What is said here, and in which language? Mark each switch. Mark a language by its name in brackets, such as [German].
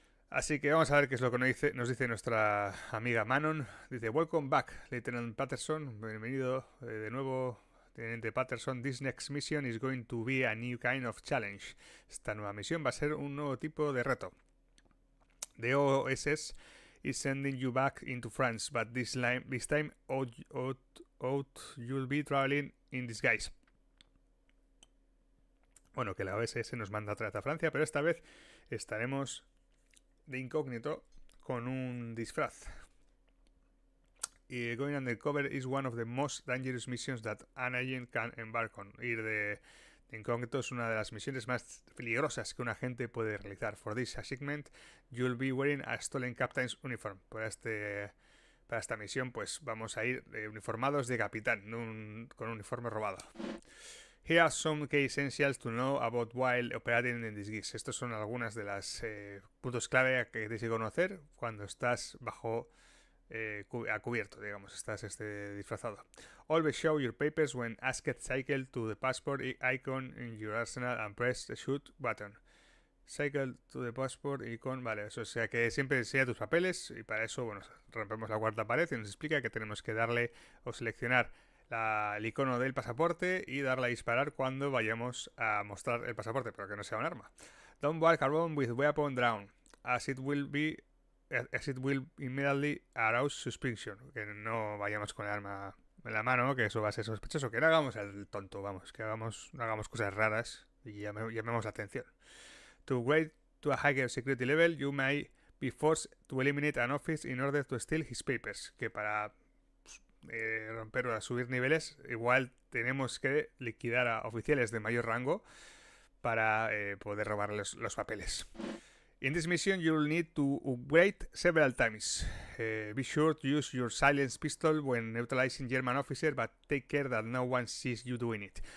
[Spanish] Así que vamos a ver qué es lo que nos dice nuestra amiga Manon. Dice: [English] Welcome back, Lieutenant Patterson. [Spanish] Bienvenido de nuevo, Teniente Patterson. [English] This next mission is going to be a new kind of challenge. [Spanish] Esta nueva misión va a ser un nuevo tipo de reto. [English] The OSS is sending you back into France, but this time out you'll be traveling in disguise. [Spanish] Bueno, que la OSS nos manda otra vez a Francia, pero esta vez estaremos de incógnito con un disfraz. [English] Y going undercover is one of the most dangerous missions that an agent can embark on. [Spanish] Ir de incógnito es una de las misiones más peligrosas que un agente puede realizar. [English] For this assignment, you'll be wearing a stolen captain's uniform. [Spanish] Para esta misión, pues vamos a ir uniformados de capitán, con un uniforme robado. [English] Here are some key essentials to know about while operating in disguise. [Spanish] Estos son algunas de las puntos clave que tienes que conocer cuando estás bajo a cubierto, digamos, estás disfrazado. [English] Always show your papers when asked cycle to the passport icon in your arsenal and press the shoot button. Cycle to the passport icon, [Spanish] vale, eso, o sea que siempre enseña tus papeles y para eso, bueno, rompemos la cuarta pared y nos explica que tenemos que darle o seleccionar el icono del pasaporte y darle a disparar cuando vayamos a mostrar el pasaporte, pero que no sea un arma. [English] Don't walk around with weapon drawn, as it will immediately arouse suspicion. [Spanish] Que no vayamos con el arma en la mano, que eso va a ser sospechoso. Que no hagamos el tonto, vamos, que no hagamos cosas raras llamemos la atención. [English] To wait to a higher security level, you may be forced to eliminate an office in order to steal his papers. [Spanish] Que para romper o subir niveles, igual tenemos que liquidar a oficiales de mayor rango para poder robar los papeles. [English] In this mission, you'll need to upgrade several times. Be sure to use your silenced pistol when neutralizing German officer, but take care that no one sees you doing it.